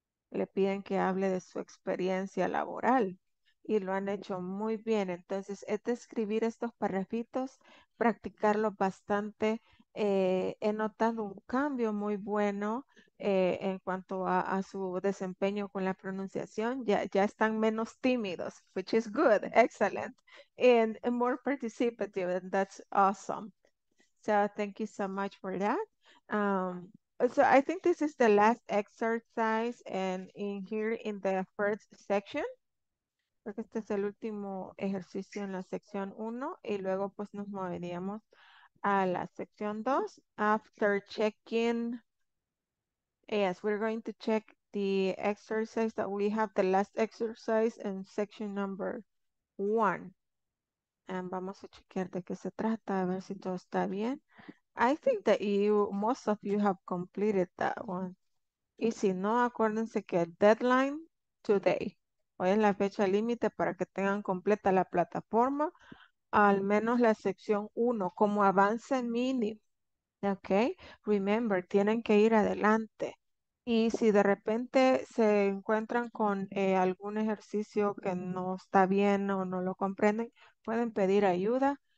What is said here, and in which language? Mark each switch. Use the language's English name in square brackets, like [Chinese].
[Spanish] Le piden que hable de su experiencia laboral y lo han hecho muy bien. Entonces, es de escribir estos parrafitos, practicarlos bastante. He notado un cambio muy bueno en cuanto a su desempeño con la pronunciación. Ya están menos tímidos, [English] which is good, excellent, and more participative, and that's awesome. So thank you so much for that. So I think this is the last exercise, and in here in the first section, [Spanish] porque este es el último ejercicio en la sección 1, y luego pues nos moveríamos a la sección 2, [English] after checking, yes, we're going to check the exercise that we have, the last exercise in section number 1. [Spanish] And vamos a chequear de qué se trata, a ver si todo está bien. [English] I think that most of you have completed that one. [Spanish] Y si no, acuérdense que [English] deadline today. [Spanish] Hoy es la fecha límite para que tengan completa la plataforma. Al menos la sección 1, como avance mínimo, ¿ok? Remember, tienen que ir adelante. Y si de repente se encuentran con algún ejercicio que no está bien o no lo comprenden, pueden pedir ayuda.